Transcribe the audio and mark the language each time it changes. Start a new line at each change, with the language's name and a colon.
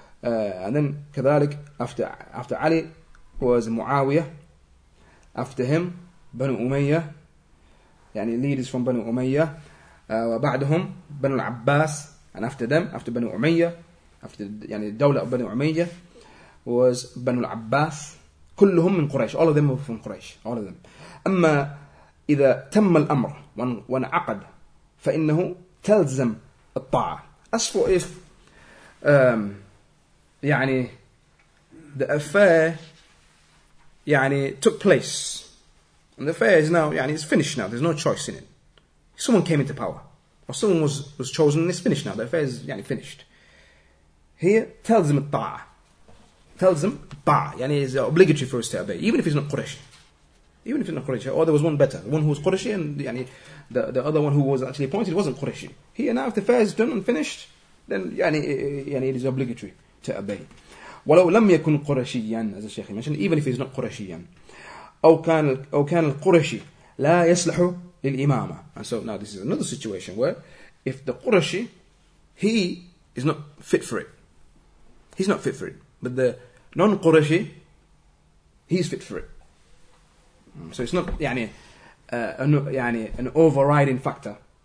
English: And then كذلك after Ali was Muawiyah, after him Banu Umayyah, يعني leaders from Banu Umayyah, وبعدهم Banu Abbas, and after them, after Banu Umayyah, after يعني الدولة of Banu Umayyah, was Banu Abbas,
Arabic: كلهم من قريش,
English: all of them were from قريش, all of them.
Arabic: أما إذا تم الأمر وانعقد فإنه تلزم الطاعة.
English: As for if يعني the affair يعني took place, and the affair is now يعني it's finished now, there's no choice in it, someone came into power or someone was chosen and it's finished now, the affair is يعني finished, here tells him الطاعة, tells him الطاعة, يعني it's obligatory for us to obey, even if he's not Quraysh, even if he's not Quraysh, or there was one better, one who was Quraysh and يعني the other one who was actually appointed wasn't Quraysh, here now if the affair is done and finished, then يعني it is obligatory to obey.
Arabic: ولو لم يكن قرشيا,
English: as the Sheikh mentioned, even if he's not
Arabic: قرشيا, أو كان القرشي لا يصلح للإمامة.
English: And so now this is another situation where if the قرشي, he is not fit for it, he's not fit for it, but the non-قرشي, he's fit for it. So it's not يعني an overriding factor.